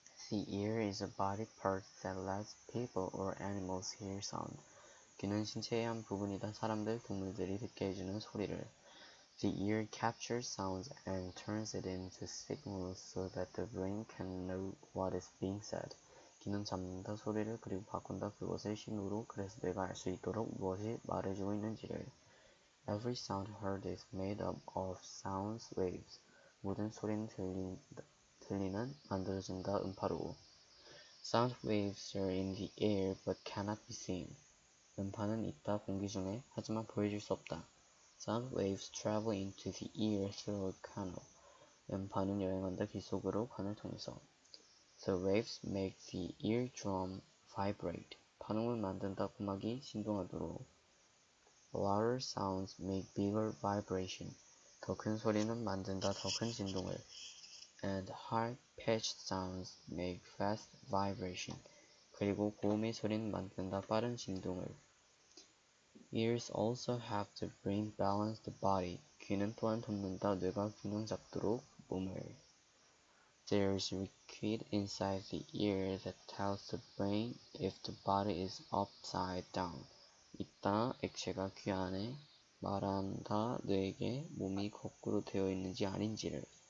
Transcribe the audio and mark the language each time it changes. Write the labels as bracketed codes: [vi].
[en] The ear is a body part that lets people or animals hear sound. [ko] 귀는 신체의 한 부분이다. 사람들, 동물들이 듣게 해주는 소리를. [en] The ear captures sounds and turns it into signals so that the brain can know what is being said. [ko] 귀는 잡는다. 소리를 그리고 바꾼다. 그것을 신호로 그래서 내가 알 수 있도록 무엇이 말해주고 있는지를. [en] Every sound heard is made up of sounds waves. [ko] 모든 소리는 들리는 만들어진다 음파로. [en] Sound waves are in the air but cannot be seen. [ko] 음파는 있다 공기 중에 하지만 보여줄 수 없다. [en] Sound waves travel into the ear through a canal. [ko] 음파는 여행한다 귀 속으로 관을 통해서. [en] The waves make the eardrum vibrate. [ko] 파동을 만든다 구막이 신동하도록. [en] Louder sounds make bigger vibration. [ko] 더 큰 소리는 만든다 더 큰 진동을. [en] And high-pitched sounds make fast vibration. [ko] 그리고 고음의 소리는 만든다 빠른 진동을. [en] Ears also help the brain balance the body. [ko] 귀는 또한 돕는다 뇌가 균형 잡도록 몸을. [en] There's a circuit inside the ear that tells the brain if the body is upside down. [ko] 있다 액체가 귀 안에 말한다 뇌에게 몸이 거꾸로 되어 있는지 아닌지를.